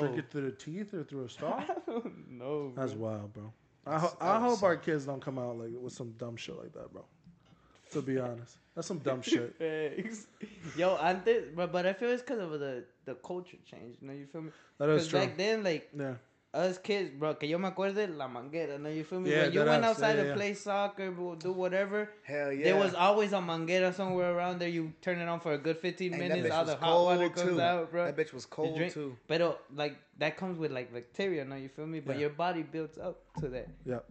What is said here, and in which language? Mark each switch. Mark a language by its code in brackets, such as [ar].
[en] Drink it through the teeth or through a straw? I don't know, bro. That's wild, bro. I hope our kids don't come out, like, with some dumb shit like that, bro. To be honest. That's some dumb shit. Yo, but I feel it's because of the culture change. You know, you feel me? That is true. Because back then, like... Yeah. Us kids, bro, [es] que yo me acuerde la manguera, ¿no? [en] You feel me? Yeah, when you went outside to play soccer, bro, do whatever, hell yeah. There was always a manguera somewhere around there. You turn it on for a good 15 minutes, all the hot water comes out, bro. That bitch was cold, too. Pero, like, that comes with, like, bacteria, ¿no? You feel me? But your body builds up to that. Yeah.